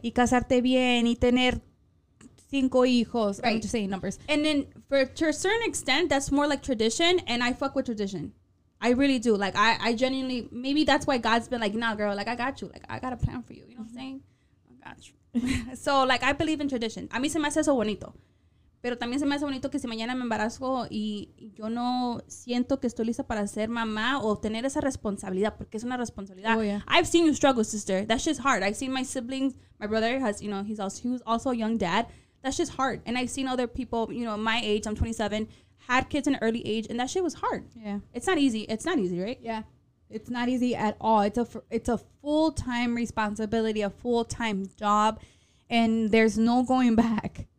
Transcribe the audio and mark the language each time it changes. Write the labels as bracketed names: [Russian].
[Spanish] Y casarte bien y tener cinco hijos. [English] Right. I'm just saying numbers. And then to a certain extent, that's more like tradition. And I fuck with tradition. I really do. Like, I genuinely, maybe that's why God's been like, nah, girl, like, I got you. Like, I got a plan for you. You know what I'm saying? I got you. So, like, I believe in tradition. [Spanish] A mí se me hace eso bonito. Pero también se me hace bonito que si mañana me embarazo y yo no siento que estoy lista para ser mamá o tener esa responsabilidad, porque es una responsabilidad. [English] Oh, yeah. I've seen you struggle, sister. That shit's hard. I've seen my siblings, my brother has, you know, he was also a young dad. That shit's hard. And I've seen other people, you know, my age, I'm 27, had kids in an early age, and that shit was hard. Yeah. It's not easy. It's not easy, right? Yeah. It's not easy at all. It's a full-time responsibility, a full-time job, and there's no going back.